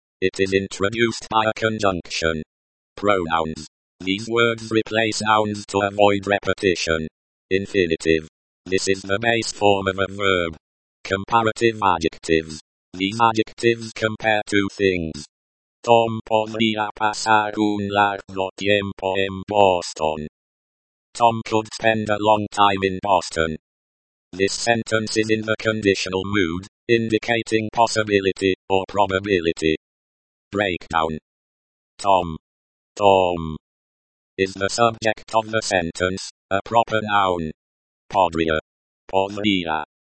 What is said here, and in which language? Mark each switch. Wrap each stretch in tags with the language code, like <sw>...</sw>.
<en>It is introduced by a conjunction. Pronouns. These words replace nouns to avoid repetition. Infinitive. This is the base form of a verb. Comparative adjectives. These adjectives compare two things.</en> <es>Tom podría pasar un largo tiempo en Boston.</es> <en>Tom could spend a long time in Boston. This sentence is in the conditional mood, indicating possibility or probability. Breakdown. Tom. Tom. Is the subject of the sentence, a proper noun. Podría. Podría.</en>